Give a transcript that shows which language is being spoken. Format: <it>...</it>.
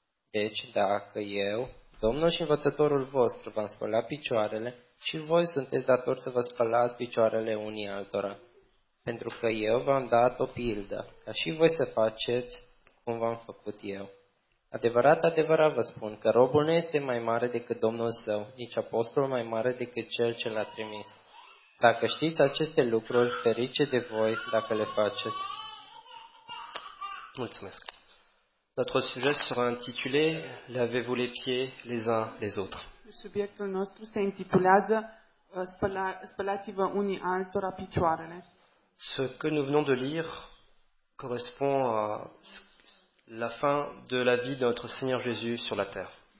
<ro>Deci, dacă eu, domnul și învățătorul vostru, v-am spălat picioarele și voi sunteți datori să vă spălați picioarele unii altora, pentru că eu v-am dat o pildă, ca și voi să faceți cum v-am făcut eu. Adevărat, adevărat vă spun că robul nu este mai mare decât domnul său, nici apostolul mai mare decât cel ce l-a trimis. Dacă știți aceste lucruri, ferice de voi dacă le faceți. Mulțumesc.</ro> <fr>Notre sujet sera intitulé Lavez-vous les pieds les uns les autres.</fr> <ro>Subiectul nostru se intitulează spălați-vă unii altora picioarele.</ro> <fr>Ce que nous venons de lire correspond à la fin de la vie de notre Seigneur Jésus sur la terre.</fr>